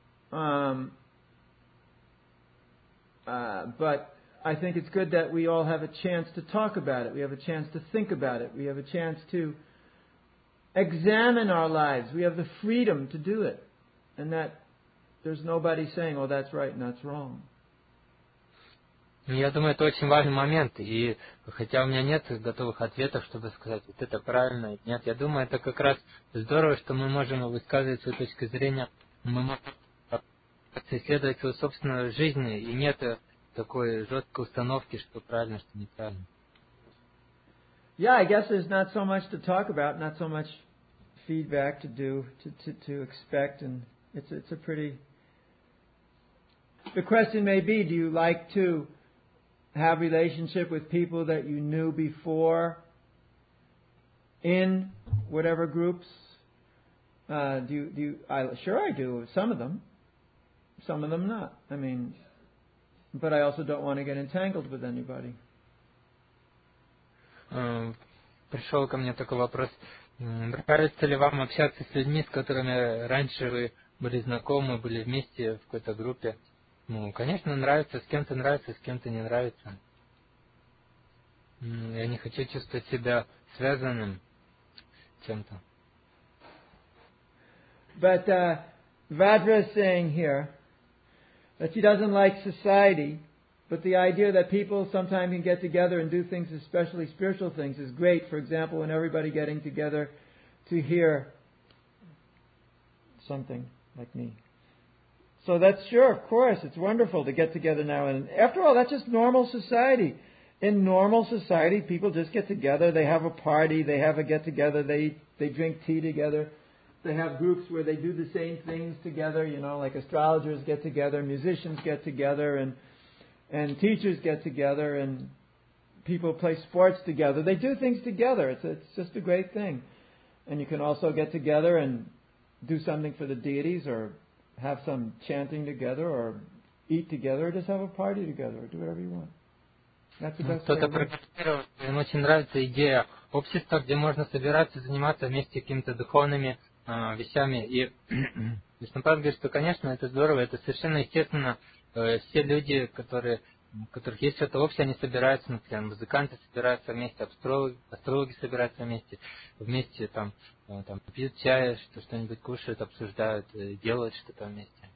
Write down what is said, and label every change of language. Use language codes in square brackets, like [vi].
[en] But I think it's good that we all have a chance to talk about it. We have a chance to think about it. We have a chance to examine our lives. We have the freedom to do it. And that there's nobody saying, oh, that's right and that's wrong. [ru] Я думаю, это очень важный момент, и хотя у меня нет готовых ответов, чтобы сказать, вот это правильно, нет, я думаю, это как раз здорово, что мы можем высказывать свою точку зрения, мы можем исследовать свою собственную жизнь, и нет такой жесткой установки, что правильно, что неправильно. [en] Yeah, I guess there's not so much to talk about, not so much feedback to do, to expect, and it's a pretty... The question may be, do you like to have relationship with people that you knew before in whatever groups? Sure I do, some of them not. I mean, but I also don't want to get entangled with anybody. [ru] Пришел ко мне такой вопрос. Нравится ли вам общаться с людьми, с которыми раньше вы были знакомы, были вместе в какой-то группе? Ну, конечно, нравится, с кем-то не нравится. Я не хочу чувствовать себя связанным чем-то. [en] But Vajra is saying here that she doesn't like society, but the idea that people sometimes can get together and do things, especially spiritual things, is great. For example, when everybody getting together to hear something like me. So that's sure, of course, it's wonderful to get together now. And after all, that's just normal society. In normal society, people just get together, they have a party, they have a get-together, they drink tea together, they have groups where they do the same things together, you know, like astrologers get together, musicians get together, and teachers get together, and people play sports together. They do things together. It's just a great thing. And you can also get together and do something for the deities or have some chanting together or eat together or just have a party together or do whatever you want. [ru] Кто-то прокомментировал, им очень нравится идея общества, где можно собираться, заниматься вместе какими-то духовными вещами. И Вишнупад говорит, что, конечно, это здорово, это совершенно естественно. Все люди, у которых есть что-то общее, они собираются, например, музыканты собираются вместе, астрологи собираются вместе там пьют чай, что-нибудь кушают, обсуждают, делают что-то вместе.